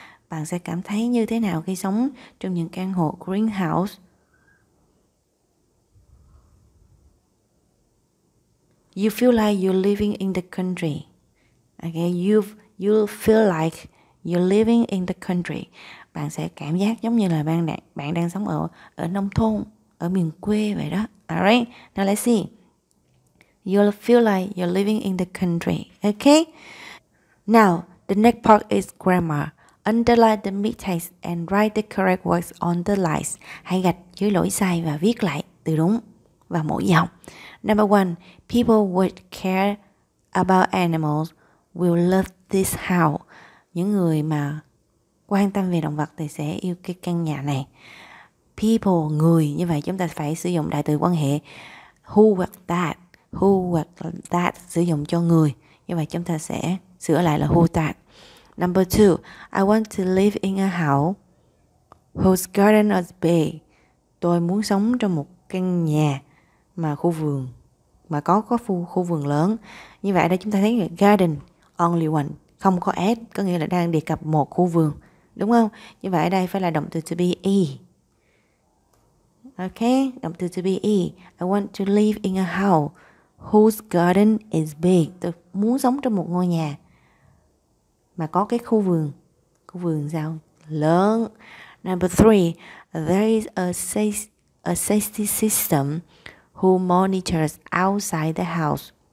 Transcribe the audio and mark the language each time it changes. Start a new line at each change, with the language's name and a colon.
Vietnamese: Bạn sẽ cảm thấy như thế nào khi sống trong những căn hộ greenhouse?
English: You feel like you're living in the country. Okay, you feel like you're living in the country.
Vietnamese: Bạn sẽ cảm giác giống như là bạn đang sống ở nông thôn, ở miền quê vậy đó.
English: Alright, now let's see. You'll feel like you're living in the country. Okay? Now, the next part is grammar. Underline the mistakes and write the correct words on the lines.
Vietnamese: Hãy gạch dưới lỗi sai và viết lại từ đúng vào mỗi dòng.
English: Number 1. People who care about animals will love this house.
Vietnamese: Những người mà quan tâm về động vật thì sẽ yêu cái căn nhà này. People, người. Như vậy chúng ta phải sử dụng đại từ quan hệ who hoặc that. Who hoặc that sử dụng cho người. Như vậy chúng ta sẽ sửa lại là who that.
English: Number 2. I want to live in a house whose garden is big.
Vietnamese: Tôi muốn sống trong một căn nhà mà khu vườn, mà có khu vườn lớn. Như vậy đây chúng ta thấy là garden,
English: only one,
Vietnamese: không có s, có nghĩa là đang đề cập một khu vườn, đúng không? Như vậy ở đây phải là động từ to be e. Ok, động từ to be e.
English: I want to live in a house whose garden is big.
Vietnamese: Tôi muốn sống trong một ngôi nhà mà có cái khu vườn. Khu vườn sao? Lớn.
English: Number 3. There is a safety system who monitors outside the house.